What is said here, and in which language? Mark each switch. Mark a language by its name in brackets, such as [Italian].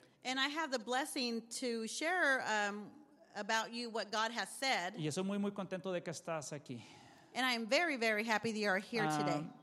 [English] And I have the blessing to share about you what God has said. [Spanish] Y estoy muy muy contento de que estás aquí. [English] And I am very very happy that you are here today.